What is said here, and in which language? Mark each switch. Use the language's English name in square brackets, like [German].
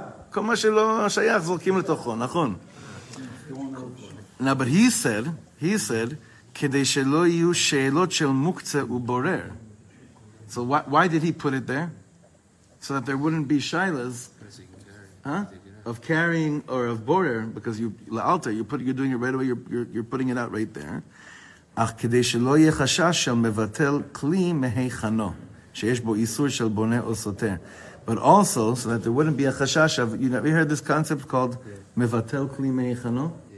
[Hebrew] כל מה שלא שייך זורקים לתוכו, נכון. אבל [English] he said, [Hebrew] כדי שלא יהיו שאלות של מוקצה ובורר. [English] So why did he put it there? So that there wouldn't be shaylas, of carrying or of borer, because you, la'alter, you're doing it right away, you're putting it out right there. [Hebrew] אך כדי שלא יהיה חשש של מבטל כלי מהיכנו, שיש בו איסור של בונה או סותר. [English] But also, so that there wouldn't be a חשש of, you know, have you heard this concept called [Hebrew] מבטל כלי מהיכנו?